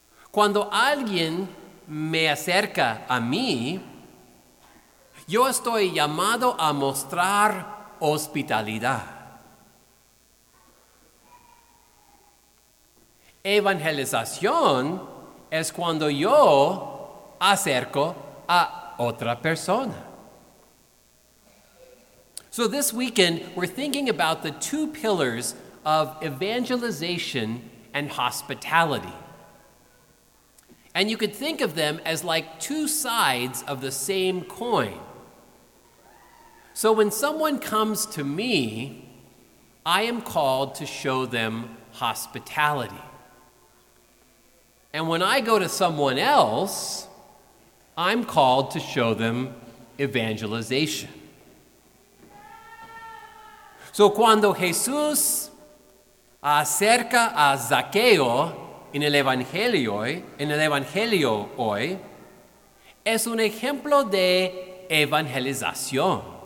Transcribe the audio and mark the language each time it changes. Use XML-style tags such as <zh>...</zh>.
<es>Cuando alguien me acerca a mí, yo estoy llamado a mostrar hospitalidad. Evangelización es cuando yo acerco a otra persona.</es> <en>So this weekend, we're thinking about the two pillars of evangelization and hospitality. And you could think of them as like two sides of the same coin. So when someone comes to me, I am called to show them hospitality. And when I go to someone else, I'm called to show them evangelization.</en> <es>So cuando Jesús acerca a Zaqueo en el Evangelio hoy, es un ejemplo de evangelización.</es>